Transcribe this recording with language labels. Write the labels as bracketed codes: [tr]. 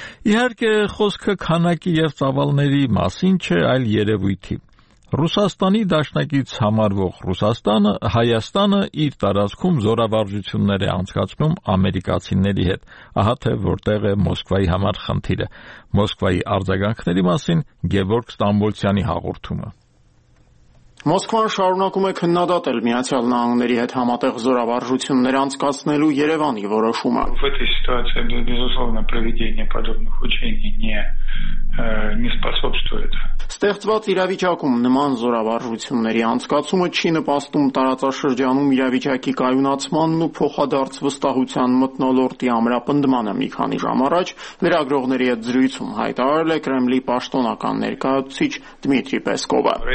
[hy] Իհարկե, խոսքը քանակի և ծավալների մասին չէ, այլ երևույթի։ Ռուսաստանի դաշնակից համարվող Ռուսաստանը, Հայաստանը իր տարածքում զորավարժություններ է անցկացնում ամերիկացիների հետ, ահա թե որտեղ է Մոսկվայի համար խնդիրը։ Մոսկվայի արձագանքների մասին Գևորգ Ստամբոլցյանի հաղորդումը։ Մոսկվան շարունակում է քննադատել Միացյալ Նահանգների հետ համատեղ զորավարժություններ անցկացնելու Երևանի որոշումը։ [ru] В этой ситуации, безусловно, проведение подобных учений не способствует. [hy] Ստեղծված իրավիճակում նման զորավարժությունների անցկացումը չի նպաստում տարածաշրջանում իրավիճակի կայունացմանն ու փոխադարձ վստահության մթնոլորտի ամրապնդմանը։ Մի քանի ժամ առաջ լրագրողների հետ զրույցում հայտարարել է Կրեմլի պաշտոնական ներկայացուցիչ Դմիտրի Պեսկովը։